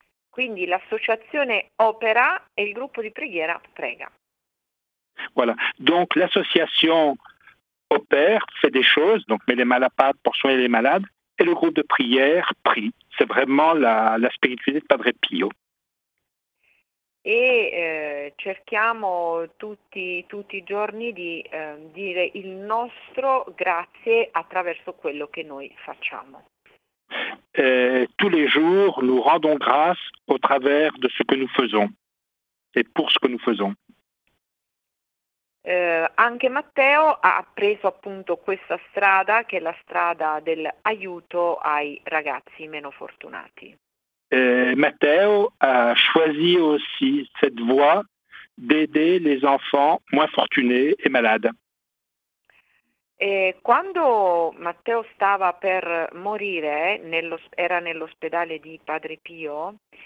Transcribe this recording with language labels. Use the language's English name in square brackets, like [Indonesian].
[Italian] Quindi l'associazione opera e il gruppo di preghiera prega. [French] Voilà. Donc l'association opère, fait des choses, donc met les mains à la pâte pour soigner les malades, et le groupe de prière prie. C'est vraiment la spiritualité de Padre Pio. [Italian] E cerchiamo tutti i giorni di dire il nostro grazie attraverso quello che noi facciamo. [French] Et tous les jours, nous rendons grâce au travers de ce que nous faisons et pour ce que nous faisons. [Italian] Anche Matteo ha preso appunto questa strada, che è la strada dell'aiuto ai ragazzi meno fortunati. [French] Et Matteo a choisi aussi cette voie d'aider les enfants moins fortunés et malades. [Italian] E quando Matteo stava per morire, era nell'ospedale di Padre Pio,